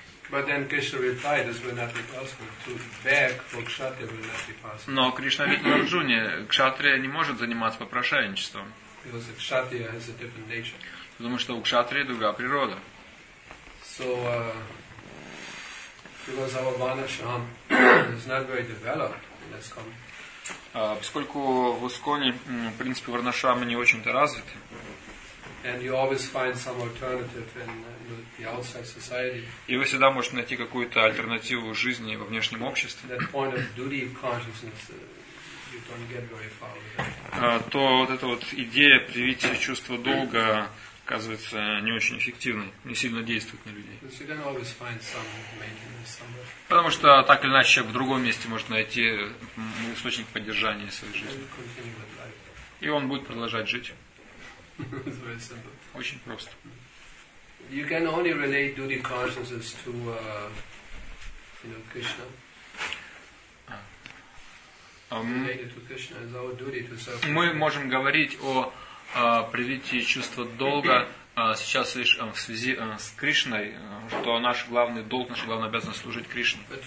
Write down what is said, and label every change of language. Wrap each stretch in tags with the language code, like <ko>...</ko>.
<en>But then Krishna replied, "This will not be possible to beg for kshatriya will not be possible."</en> <ru>Но Кришна ответил Арджуне, кшатрия не может заниматься попрошайничеством.</ru> <en>Because kshatriya has a different nature.</en> <ru>Потому что у кшатрии другая природа.</ru> <en>So because our vana sham is not very developed, let's come.</en> <ru>Поскольку в Исконе принципы варнашрамы не очень-то развиты.</ru> <en>And you always find some alternative in the outside society.</en> <ru>И вы всегда можете найти какую-то альтернативу жизни во внешнем обществе.</ru> <en>That point of duty of consciousness, you don't get very far with that.</en> <ru>То вот эта вот идея привить чувство долга оказывается не очень эффективной, не сильно действует на людей.</ru> <en>Because you can always find some maintenance somewhere.</en> <ru>Потому что так или иначе в другом месте может найти источник поддержания своей жизни. И он будет продолжать жить.</ru> <en>It's very simple.</en> <ru>Очень просто.</ru> <en>You can only relate duty consciousness to, Krishna. Related to Krishna is our duty to serve.</en> <ru>Мы можем говорить о привитии чувства долга сейчас лишь в связи с Кришной, что наш главный долг, наша главная обязанность служить Кришне.</ru>